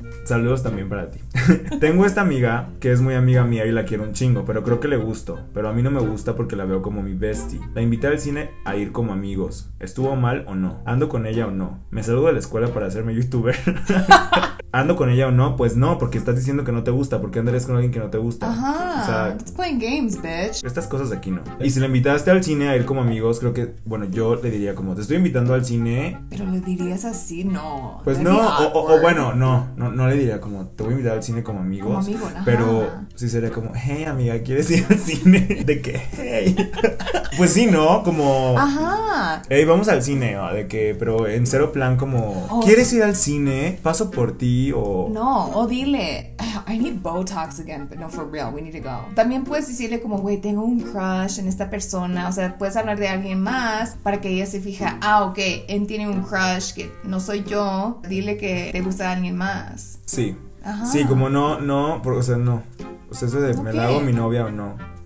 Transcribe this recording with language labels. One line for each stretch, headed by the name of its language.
Spanish: Saludos también para ti. Tengo esta amiga que es muy amiga mía y la quiero un chingo, pero creo que le gusto. Pero a mí no me gusta porque la veo como mi bestie. La invité al cine a ir como amigos. ¿Estuvo mal o no? ¿Ando con ella o no? ¿Me saludo de la escuela para hacerme youtuber? ¿ando con ella o no? Pues no, porque estás diciendo que no te gusta. ¿Por qué andarías con alguien que no te gusta?
English: Ajá,
Spanish: o sea,
English: it's playing games, bitch.
Spanish: Estas cosas aquí no. Y si la invitaste al cine a ir como amigos, creo que, bueno, yo le diría como, te estoy invitando al cine. Pero le dirías así, no. Pues no, no le diría como, te voy a invitar al cine como amigos. Como amigo, ajá. Pero sí sería como, hey amiga, ¿quieres ir al cine? ¿De qué? Hey. Pues sí, ¿no? Como, ajá. Hey, vamos al cine, ¿no? De que, pero en cero plan como, ¿quieres ir al cine? Paso por ti. No, dile,
English: I need Botox again, but no, for real, we need to go.
Spanish: También puedes decirle como, güey, tengo un crush en esta persona. O sea, puedes hablar de alguien más para que ella se fije, ah, ok, él tiene un crush que no soy yo. Dile que te gusta alguien más. Sí. Ajá. Sí, como no. O sea, eso de, okay, ¿me la hago mi novia o no?